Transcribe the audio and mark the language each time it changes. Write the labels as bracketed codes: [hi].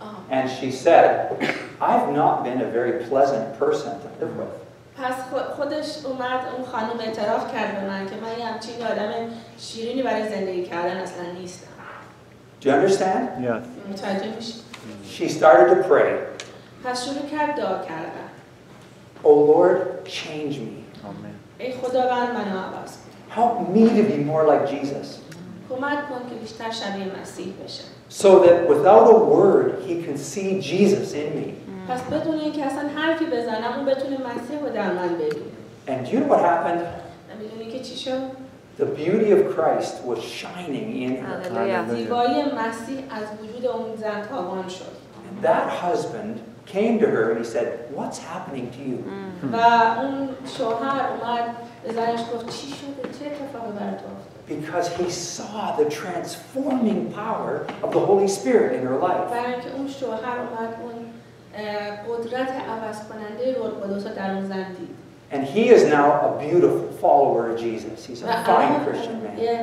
[en] and she said, I've not been a very pleasant person to live with. [fa] پس خودش اومد اون خانم اعتراف کرد به من که من یه همچین آدم شیرینی برای زندگی کردن اصلا نیستم. [en] Do you understand? Yes. [fa] متوجه میشی؟ [en] She started to pray. [fa] پس شروع کرد دعا کردن. [en] Oh Lord, change me. Amen. [fa] ای خداوند منو عوض کن. [en] Help me to be more like Jesus. [fa] کمک کن که بیشتر شبیه مسیح بشم. [en] So that without a word he can see Jesus in me. [fa] پس بدون اینکه اصلا حرفی بزنم اون بتونه مسیح رو در من ببینه. [en] And you know what happened? [fa] می‌دونی که چی شد؟ [en] The beauty of Christ was shining in her. [fa] زیبایی مسیح از وجود اون زن تابان شد. [en] And that husband came to her and he said, "What's happening to you?" [fa] و اون شوهر اومد زنش گفت چی شده؟ چه اتفاقی برات افتاد؟ [en] Because he saw the transforming power of the Holy Spirit in her life. [fa] برکه اون شوهر اومد اون قدرت عوض کننده روح القدس در اون زن دید. [en] And he is now a beautiful follower of Jesus. He's a fine Christian man.